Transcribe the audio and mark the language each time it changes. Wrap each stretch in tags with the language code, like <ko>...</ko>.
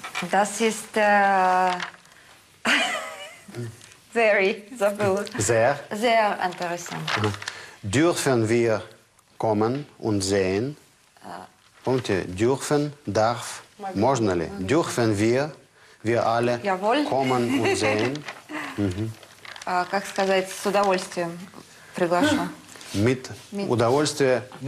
<de>Das ist sehr interessant. Dürfen wir kommen und sehen? Dürfen, darf,</de> <ru>можно ли?</ru> <de>Dürfen wir? Wir alle kommen und sehen.</de> <ru>Как сказать, с удовольствием приглашу. Mit удовольствием.</ru>